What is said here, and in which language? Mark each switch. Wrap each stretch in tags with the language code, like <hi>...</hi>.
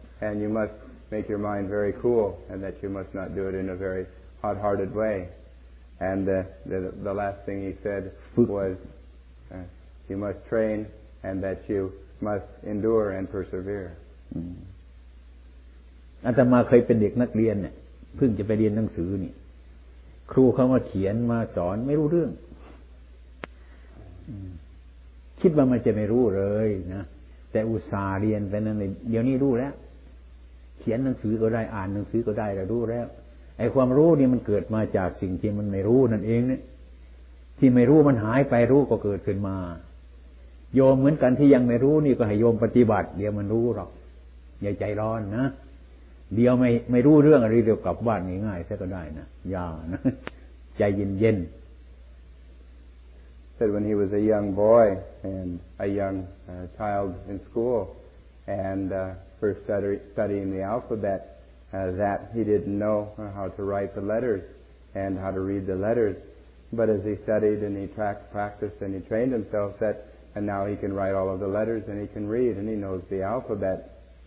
<en>And you must make your mind very cool, and that you must not do it in a very hot-hearted way. And the last thing he said was, you must train, and that you must endure and persevere.</en> <th>อาตมาเคยเป็นเด็กนักเรียนเนี่ยเพิ่งจะไปเรียนหนังสือนี่ครูเขามาเขียนมาสอนไม่รู้เรื่องคิดว่ามันจะไม่รู้เลยนะแต่อุตส่าห์เรียนไปนั่นเดี๋ยวนี้รู้แล้วเขียนหนังสือก็ได้อ่านหนังสือก็ได้แล้วรู้แล้วไอ้ความรู้นี่มันเกิดมาจากสิ่งที่มันไม่รู้นั่นเองเนี่ยที่ไม่รู้มันหายไปรู้ก็เกิดขึ้นมา โยมเหมือนกันที่ยังไม่รู้นี่ก็ให้โยมปฏิบัติเดี๋ยวมันรู้หรอกอย่าใจร้อนนะเดี๋ยวไม่รู้เรื่องอะไรเดี๋ยวกลับบ้านง่ายๆซะก็ได้นะอย่านะใจเย็น</th> <en>ๆ said when he was a young boy and a young child in school andFor studying the alphabet, that he didn't know how to write the letters and how to read the letters. But as he studied and he practiced and he trained himself, that and now he can write all of the letters and he can read and he knows the alphabet.</en>